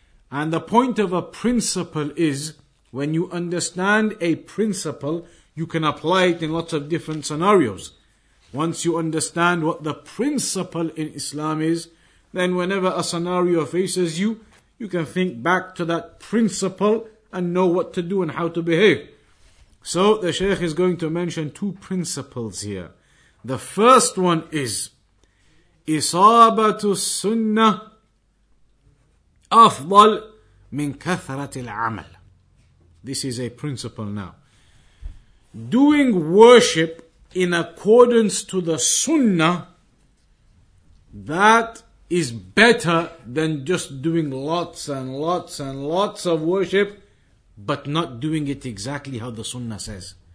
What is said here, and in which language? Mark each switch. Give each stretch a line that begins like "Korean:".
English: And the point of a principle is, when you understand a principle, you can apply it in lots of different scenarios. Once you understand what the principle in Islam is, then whenever a scenario faces you, you can think back to that principle and know what to do and how to behave. So the Shaykh is going to mention two principles here. The first one is,
Arabic: إصابة السنة أفضل من كثرة العمل.
English: This is a principle now. Doing worship in accordance to the sunnah, that is better than just doing lots and lots and lots of worship, but not doing it exactly how the sunnah says.